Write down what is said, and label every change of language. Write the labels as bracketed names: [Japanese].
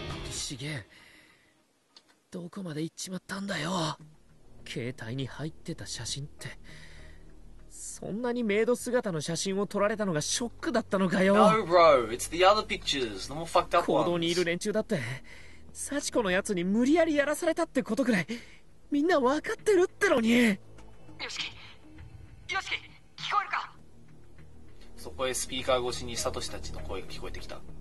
[Japanese] しげ、どこまで行っちまったんだよ。携帯に入ってた写真って、そんなにメイド姿の写真を撮られたのがショックだったのかよ。 [English] No bro, it's the other pictures, the more fucked up ones. [Japanese] 行動にいる連中だって、サチコのやつに無理やりやらされたってことくらいみんな分かってるってのに。ヨシキ、ヨシキ、聞こえるか。そこへスピーカー越しにサトシたちの声が聞こえてきた。